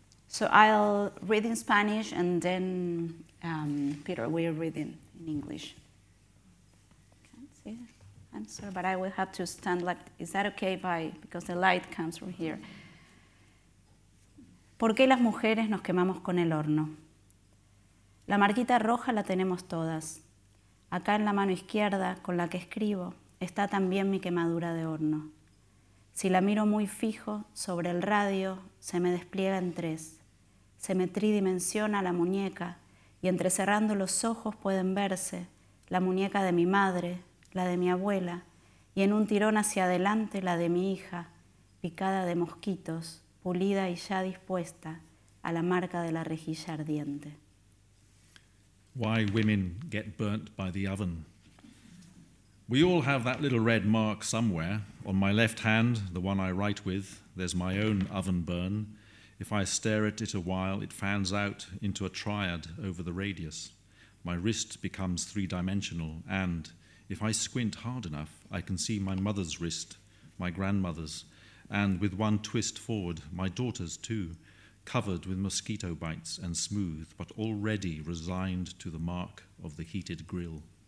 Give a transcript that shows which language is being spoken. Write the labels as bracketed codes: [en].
[en] So I'll read in Spanish and then Peter will read in English. Can't see it. I'm sorry, but I will have to stand like, is that okay because the light comes from here. [es] ¿Por qué las mujeres nos quemamos con el horno? La marquita roja la tenemos todas. Acá en la mano izquierda, con la que escribo, está también mi quemadura de horno. Si la miro muy fijo, sobre el radio, se me despliega en tres. Se me tridimensiona la muñeca y entrecerrando los ojos pueden verse la muñeca de mi madre, la de mi abuela y en un tirón hacia adelante la de mi hija, picada de mosquitos, pulida y ya dispuesta a la marca de la rejilla ardiente. [en] Why women get burnt by the oven. We all have that little red mark somewhere. On my left hand, the one I write with, there's my own oven burn. If I stare at it a while, it fans out into a triad over the radius. My wrist becomes three-dimensional, and if I squint hard enough, I can see my mother's wrist, my grandmother's, and with one twist forward, my daughter's too, covered with mosquito bites and smooth, but already resigned to the mark of the heated grill.